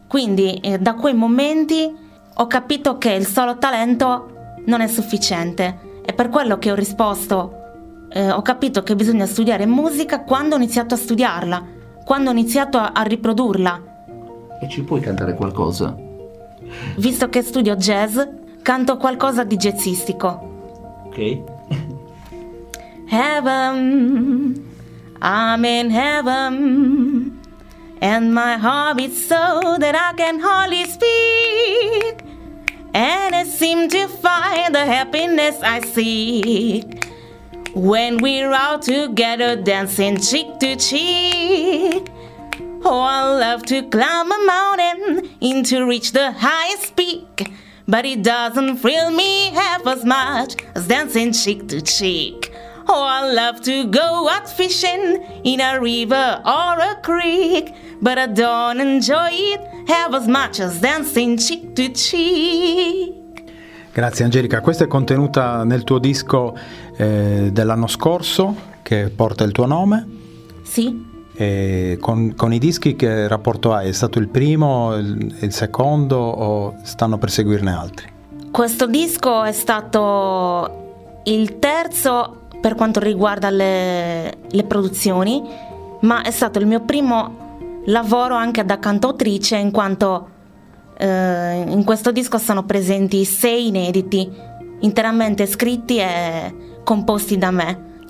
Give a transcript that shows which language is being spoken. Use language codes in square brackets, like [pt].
[it] Quindi da quei momenti ho capito che il solo talento non è sufficiente, e per quello che ho risposto, ho capito che bisogna studiare musica quando ho iniziato a studiarla, quando ho iniziato a riprodurla. E ci puoi cantare qualcosa? Visto che studio jazz, canto qualcosa di jazzistico. Ok. [en] Heaven, I'm in heaven, and my heart beats so that I can hardly speak, and it seems to find the happiness I seek when we're out together dancing cheek to cheek. Oh, I love to climb a mountain and to reach the highest peak, but it doesn't thrill me half as much as dancing cheek to cheek. Oh, I love to go out fishing in a river or a creek, but I don't enjoy it half as much as dancing cheek to cheek. [it] Grazie Angelica, questa è contenuta nel tuo disco dell'anno scorso, che porta il tuo nome. Sì. E con i dischi che rapporto hai? È stato il primo, il secondo o stanno per seguirne altri? Questo disco è stato il terzo per quanto riguarda le produzioni, ma è stato il mio primo lavoro anche da cantautrice, in quanto in questo disco sono presenti 6 inediti interamente scritti e composti da me.